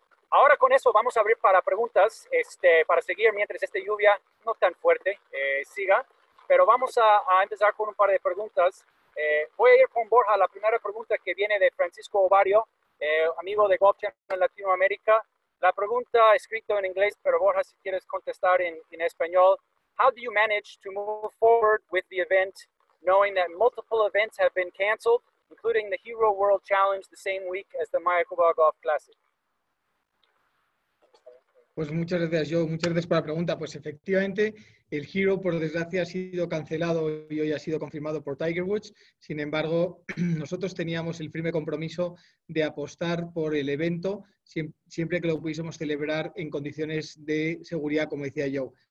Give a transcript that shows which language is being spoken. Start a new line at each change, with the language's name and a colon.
Spanish: Ahora con eso vamos a abrir para preguntas, para seguir mientras esta lluvia no tan fuerte siga. Pero vamos a empezar con un par de preguntas. Voy a ir con Borja. La primera pregunta que viene de Francisco Ovario, amigo de Golf Channel en Latinoamérica. La pregunta escrito en inglés, pero Borja, si quieres contestar en español.
English: How do you manage to move forward with the event, knowing that multiple events have been canceled, including the Hero World Challenge the same week as the Mayakoba Golf Classic?
Spanish: Pues muchas gracias, Joe. Muchas gracias por la pregunta. Pues efectivamente, el Hero, por desgracia, ha sido cancelado y hoy ha sido confirmado por Tiger Woods. Sin embargo, nosotros teníamos el firme compromiso de apostar por el evento siempre que lo pudiésemos celebrar en condiciones de seguridad, como decía Joe.